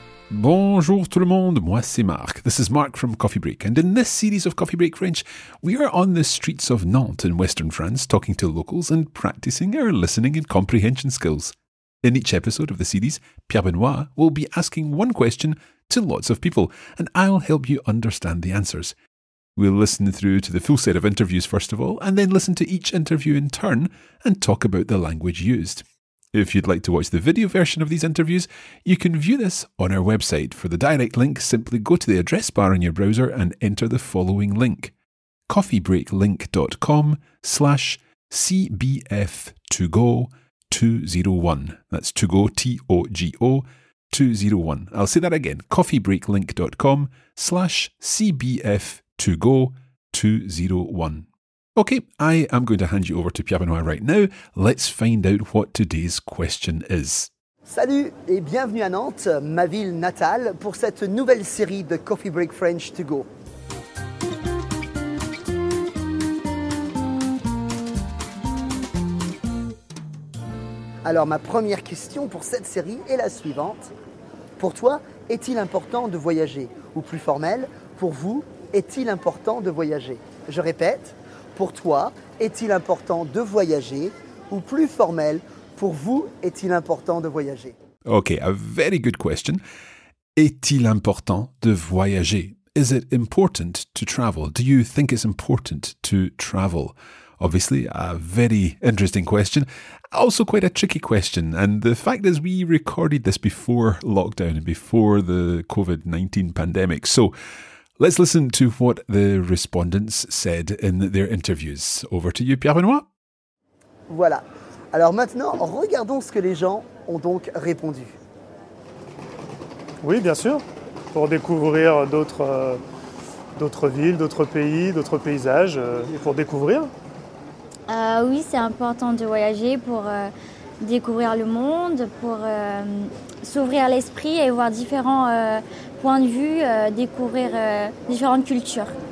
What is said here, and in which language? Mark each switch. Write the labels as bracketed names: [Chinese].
[French] Bonjour tout le monde, moi c'est Marc. [English] This is Marc from Coffee Break, and in this series of Coffee Break French, we are on the streets of Nantes in Western France, talking to locals and practicing our listening and comprehension skills. In each episode of the series, Pierre Benoit will be asking one question to lots of people, and I'll help you understand the answers. We'll listen through to the full set of interviews first of all, and then listen to each interview in turn and talk about the language used. If you'd like to watch the video version of these interviews, you can view this on our website. For the direct link, simply go to the address bar in your browser and enter the following link, coffeebreaklink.com/CBF2Go201. That's To Go, T-O-G-O, 201. I'll say that again, coffeebreaklink.com/CBF2Go201. Okay, I am going to hand you over to Pierre Benoit right now. Let's find out what today's question is. [French] Salut et bienvenue à Nantes, ma ville natale, pour cette nouvelle série de Coffee Break French To Go. Alors, ma première question pour cette série est la suivante. Pour toi, est-il important de voyager? Ou plus formel, pour vous, est-il important de voyager? Je répète. Pour toi, est-il important de voyager? Ou plus formel, pour vous, est-il important de voyager? [English] Okay, a very good question. [French] Est-il important de voyager? [English] Is it important to travel? Do you think it's important to travel? Obviously, a very interesting question. Also quite a tricky question. And the fact is we recorded this before lockdown, before the COVID-19 pandemic. So, let's listen to what the respondents said in their interviews. Over to you, Pierre Benoit. [French] Voilà. Alors maintenant, regardons ce que les gens ont donc répondu. Oui, bien sûr. Pour découvrir d'autres villes, d'autres pays, d'autres paysages, pour découvrir. Oui, c'est important de voyager pour découvrir le monde, pour s'ouvrir l'esprit et voir différents points de vue, découvrir différentes cultures.